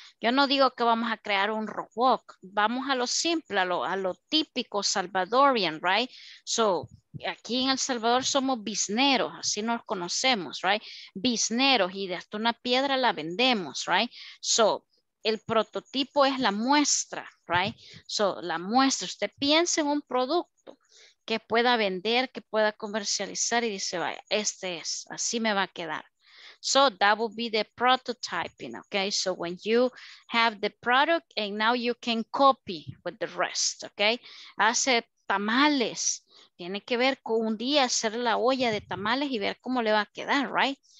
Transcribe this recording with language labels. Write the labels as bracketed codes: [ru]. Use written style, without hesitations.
[es] Yo no digo que vamos a crear un robot, vamos a lo simple, a lo típico salvadorian, right, so aquí en El Salvador somos bizneros, así nos conocemos, right, bizneros, y de hasta una piedra la vendemos, right, so el prototipo es la muestra, [en] right? [es] So, la muestra. Usted piensa en un producto que pueda vender, que pueda comercializar y dice, vaya, este es, así me va a quedar. [en] So, that would be the prototyping, okay? So, when you have the product and now you can copy with the rest, okay? [es] Hace tamales. Tiene que ver con un día hacer la olla de tamales y ver cómo le va a quedar, [en] right?